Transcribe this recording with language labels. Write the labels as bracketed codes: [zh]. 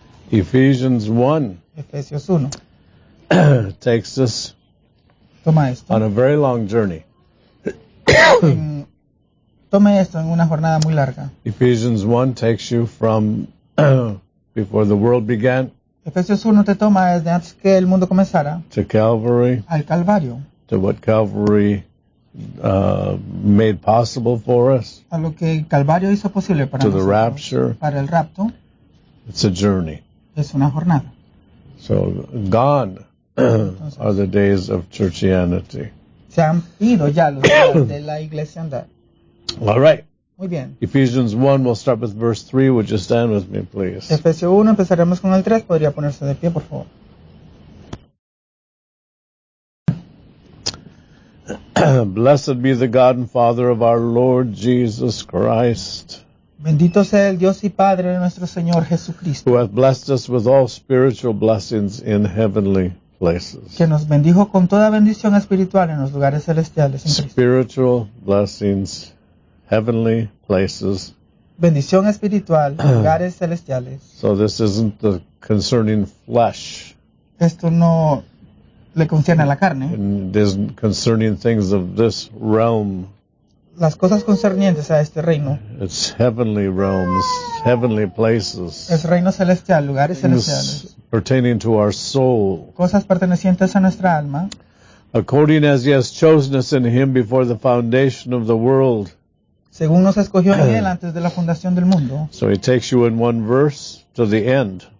[en] Ephesians 1. [es] Efesios 1. [en] takes us [es] toma esto. [en] On a very long journey. [es] Tome esto en una jornada muy larga. [en] Ephesians 1 takes you from before the world began. [es] Efesios 1 te toma desde antes que el mundo comenzara. [en] To Calvary. [es] Al Calvario. [en] To what Calvary made possible for us. [es] A lo que el Calvario hizo posible para [en] to [es] nosotros. [en] To the rapture. [es] Para el rapto. [en] It's a journey. [es] Es una jornada. [en] So gone [es] entonces, [en] are the days of churchianity. [es] Se han ido ya los días de la iglesia andar. [en] All right. [es] Muy bien. [en] Ephesians 1, we'll start with verse 3. Would you stand with me, please? [es] Efesios 1, empezaremos con el 3. ¿Podría ponerse de pie, por favor? [en] Blessed be the God and Father of our Lord Jesus Christ. [es] Bendito sea el Dios y Padre de nuestro Señor Jesucristo. [en] Who hath blessed us with all spiritual blessings in heavenly places. [es] Que nos bendijo con toda bendición espiritual en los lugares celestiales. [en] Spiritual blessings. Heavenly places. [es] Bendición espiritual, lugares celestiales. [en] So this isn't the concerning flesh. [es] Esto no le concierne a la carne. [en] It isn't concerning things of this realm. [es] Las cosas concernientes a este reino. [en] It's heavenly realms, heavenly places. [es] Es reino celestial, lugares [en] things [es] celestiales. [en] Pertaining to our soul. [es] Cosas pertenecientes a nuestra alma. [en] According as he has chosen us in him before the foundation of the world. [es] Según nos escogió en él antes de la fundación del mundo. [en] So he takes you in one verse to the end.